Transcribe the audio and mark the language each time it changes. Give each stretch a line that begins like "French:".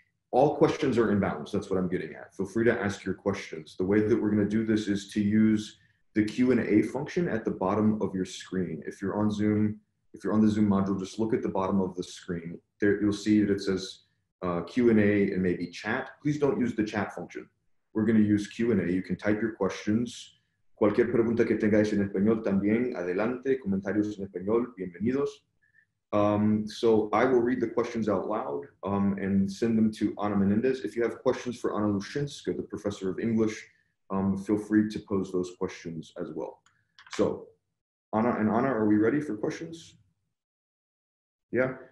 English: All questions are inbound, so that's what I'm getting at. Feel free to ask your questions. The way that we're gonna do this is to use the Q&A function at the bottom of your screen. If you're on Zoom, if you're on the Zoom module, just look at the bottom of the screen. There, you'll see that it says Q&A and maybe chat. Please don't use the chat function. We're going to use Q&A. You can type your questions.
Spanish: Cualquier pregunta que tengáis en español también, adelante. Comentarios en español, bienvenidos.
English: So I will read the questions out loud and send them to Ana Menendez. If you have questions for Ana Lushenska, the professor of English, feel free to pose those questions as well. So Ana and Ana, are we ready for questions? Yeah.